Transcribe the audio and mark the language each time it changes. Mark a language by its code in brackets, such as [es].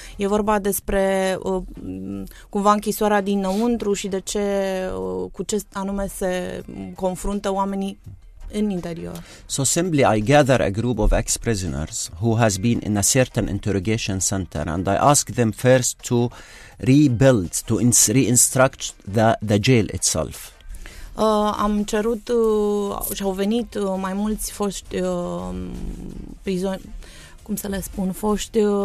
[ro] E vorba despre cumva închisoarea dinăuntru și de ce, cu ce anume se confruntă oamenii în interior. [en] So simply I gather a group of ex-prisoners who has been in a certain interrogation center and I ask them first to rebuild, to reinstruct the jail itself. [ro] Am cerut și au venit mai mulți foști prizonieri, cum să le spun, foști